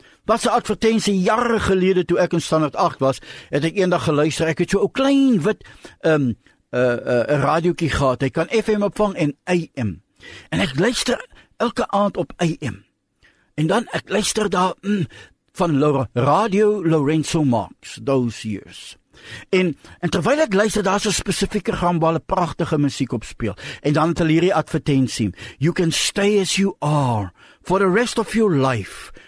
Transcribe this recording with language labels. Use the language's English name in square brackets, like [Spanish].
[Afrikaans] Was 'n advertensie jare gelede toe ek in standaard 8 was, het ek eendag geluister, ek het so 'n klein wit radiokie gehad, ek kan FM opvang en AM. En ek luister elke aand op AM. En dan ek luister daar van Radio Lorenzo Marx, [English] those years. [Afrikaans] En terwyl ek luister, daar is een spesifieke gambale prachtige muziek op speel. En dan het hulle hierdie advertensie. [English] You can stay as you are for the rest of your life.